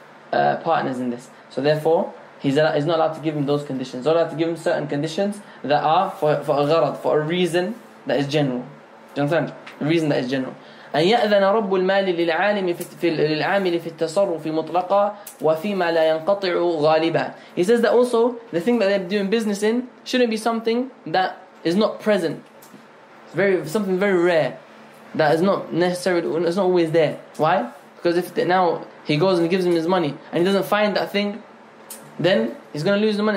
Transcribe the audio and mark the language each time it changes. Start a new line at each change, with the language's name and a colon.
English: They are partners in this. So therefore, he's not allowed to give him those conditions. He's allowed to give him certain conditions that are for a gharad, for a reason that is general. Do you understand? A reason that is general.
Arabic: أن يأذن رب المال للعالم في للعامل في التصرف مطلقا وفيما لا ينقطع غالبا.
English: He says that also the thing that they're doing business in shouldn't be something that is not present. It's very something very rare that is not necessary. It's not always there. Why? Because if now he goes and gives him his money and he doesn't find that thing, then he's going to lose the money.